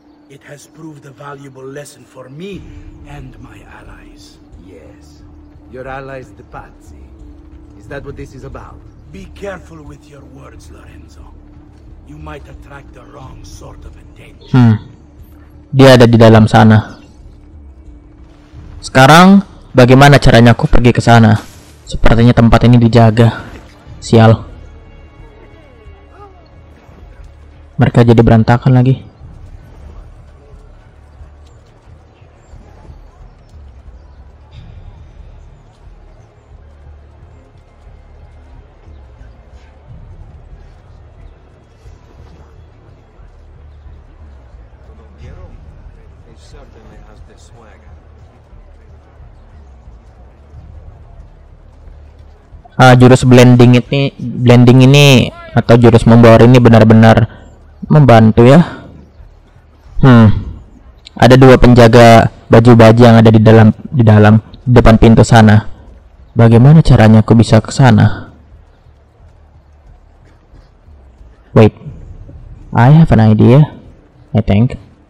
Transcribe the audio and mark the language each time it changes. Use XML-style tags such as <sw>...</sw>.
<en>It has proved a valuable lesson for me and my allies. Yes. Your allies, the Pazzi. Is that what this is about? Be careful with your words, Lorenzo. You might attract the wrong sort of attention.</en> <id>Hmm. Dia ada di dalam sana. Sekarang, bagaimana caranya aku pergi ke sana? Sepertinya tempat ini dijaga. Sial. Mereka jadi berantakan lagi. Jurus blending ini, atau jurus membawar ini benar-benar membantu ya. Ada dua penjaga baju baja yang ada di dalam depan pintu sana. Bagaimana caranya aku bisa ke sana?</id> <en>Wait, I have an idea, I think.</en>